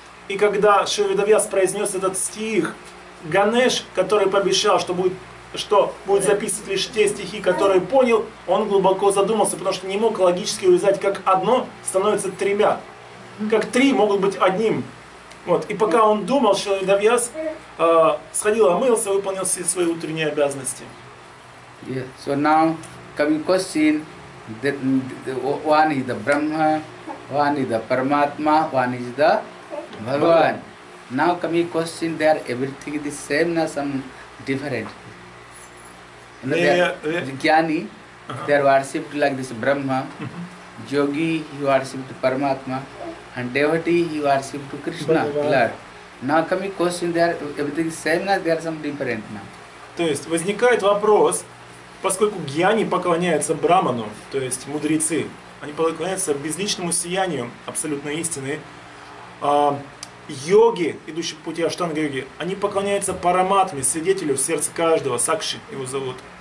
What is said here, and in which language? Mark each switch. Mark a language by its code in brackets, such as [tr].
[ru] И когда Шри Ведавьяс произнес этот стих, Ганеш, который пообещал, что будет записывать лишь те стихи, которые понял, он глубоко задумался, потому что не мог логически увязать, как одно становится тремя, как три могут быть одним. Вот. И пока он думал, Шри Ведавьяс сходил, омылся, выполнил все свои утренние обязанности. [en] Yeah. So now, coming question, one is the Brahma, one is the Paramatma, one is the Bhagavan. Now coming question, they are everything the same, not some different. Jnani, they are worshipped like this Brahma, Yogi, he worshipped Paramatma, and devotee he worship to Krishna, Lord. Now coming question there, everything same now, there some different now. [ru] То есть возникает вопрос, поскольку гьяни поклоняются браману, то есть мудрецы, они поклоняются безличному сиянию абсолютной истины, йоги, идущие по пути аштанга-йоги, они поклоняются параматме, свидетелю в сердце каждого, сакши его зовут.